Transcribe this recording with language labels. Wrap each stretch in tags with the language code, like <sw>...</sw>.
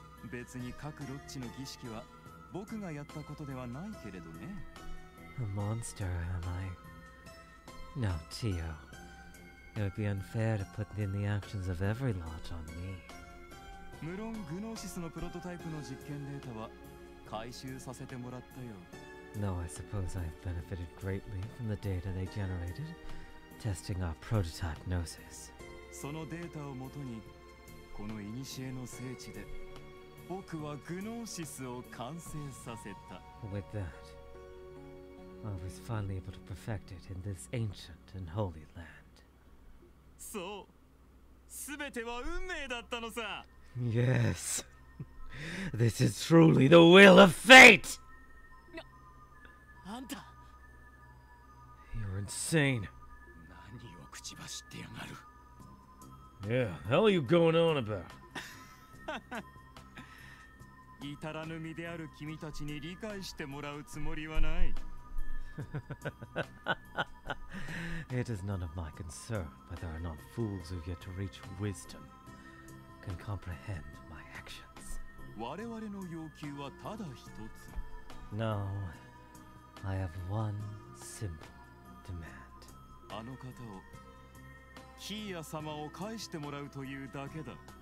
<ja>別に各ロッチの儀式は僕がやったことではないけれどね。</ja> <en>A monster, am I? No, Tio. It would be unfair to put in the actions of every lot on me.</en> <ja>無論グノーシスのプロトタイプの実験データは回収させてもらったよ。</ja> <en>No, I suppose I have benefited greatly from the data they generated, testing our prototype Gnosis.</en> <ja>そのデータをもとに、この古の聖地で、僕はグノーシスを完成させた。</ja> <en>With that, I was finally able to perfect it in this ancient and holy land.</en> <ja>そう、すべては運命だったのさ。</ja> <en>Yes, this is truly the will of fate!</en> <ja>あんた。</ja> <en>You're insane.</en> <ja>何を口走ってやがる。</ja> <en>Yeah, hell are you going on about?</en> <ja>至らぬ身である君たちに理解してもらうつもりはない。</ja> <en>It is none of my concern whether or not fools who yet to reach wisdom can comprehend my actions.</en> <ja>我々の要求はただ一つ。</ja> <en>No, I have one simple demand.</en> <ja>あの方を、キーヤ様を返してもらうというだけだ。</ja>